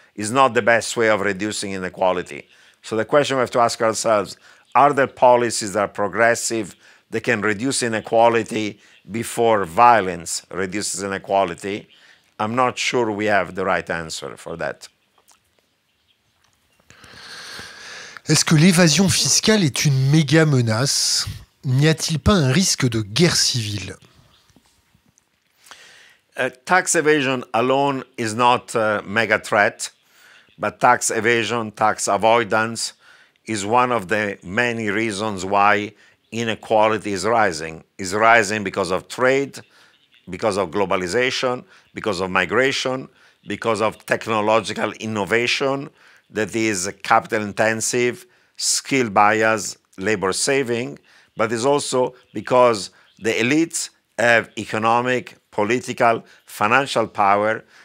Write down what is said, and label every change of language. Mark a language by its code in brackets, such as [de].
[en] It's not the best way of reducing inequality. So the question we have to ask ourselves, are there policies that are progressive that can reduce inequality before violence reduces inequality? I'm not sure we have the right answer for that. [fr] Est-ce que l'évasion fiscale est une méga menace? N'y a-t-il pas un risque de guerre civile? [en] Tax evasion alone is not a mega threat, but tax evasion, tax avoidance, is one of the many reasons why inequality is rising. It's rising because of trade, because of globalization, because of migration, because of technological innovation that is capital intensive, skill bias, labor saving, but it's also because the elites have economic, political, financial power.